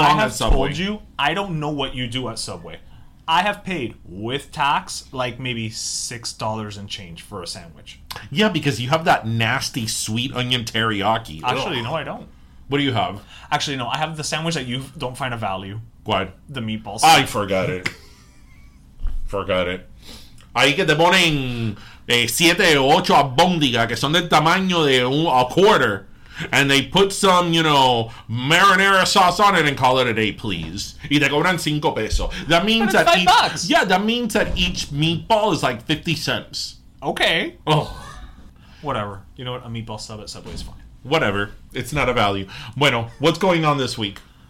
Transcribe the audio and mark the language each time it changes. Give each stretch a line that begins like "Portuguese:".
English: I have told you, I don't know what you do at Subway. I have paid, with tax, like maybe $6 and change for a sandwich. Yeah, because you have that nasty sweet onion teriyaki. Actually, no, I don't. What do you have? Actually, no, I have the sandwich that you don't find a value. What? The meatballs. I forgot it. Forgot it.
Spanish: Ahí que te ponen 7 o 8 abóndiga, que son del tamaño de
English: a quarter. And they put some, you know, marinara sauce on it and call it a day, please.
Spanish: Y te cobran 5 pesos.
English: That means that $5. Each, yeah, that means that each meatball is like 50 cents. Okay. Oh. Whatever. You know what? A meatball sub at Subway is fine. Whatever. It's not a value.
Spanish: Bueno,
English: what's going on this week?